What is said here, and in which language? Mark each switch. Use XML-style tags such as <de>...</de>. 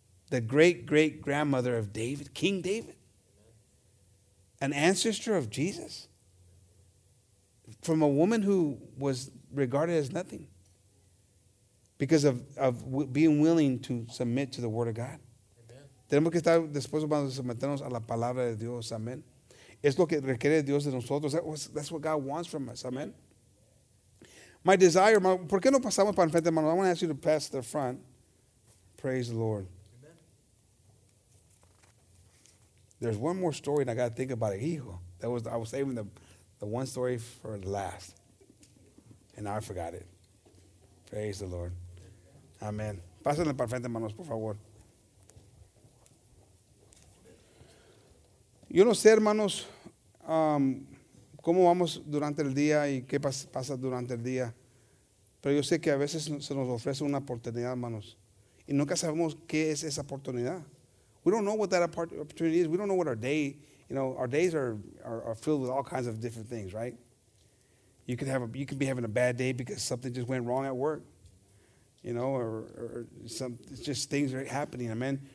<en>The great great grandmother of David, King David, an ancestor of Jesus, from a woman who was regarded as nothing because of being willing to submit to the Word of God.</en> <es>Tenemos que estar dispuestos para someternos a la palabra de Dios, amén. Es lo que requiere Dios de nosotros.</es> <en>That's what God wants from us,</en> <es>amén.</es> <en>My desire, hermano,</en> <es>¿por qué no pasamos para enfrente, hermano?</es> <en>I want to ask you to pass the front. Praise the Lord. Amen. There's one more story, and I got to think about it. Hijo, I was saving the one story for last, and I forgot it. Praise the Lord.</en> <es>Amén. Pásenle para enfrente, hermanos, por favor. Yo no sé, hermanos, cómo vamos durante el día y qué pasa durante el día. Pero yo sé que a veces se nos ofrece una oportunidad, hermanos. Y nunca sabemos qué es esa oportunidad.</es> <en>We don't know what that opportunity is. We don't know what our day, you know, our days are filled with all kinds of different things, right? You can be having a bad day because something just went wrong at work. You know, or some, it's just things are happening, amen.</en>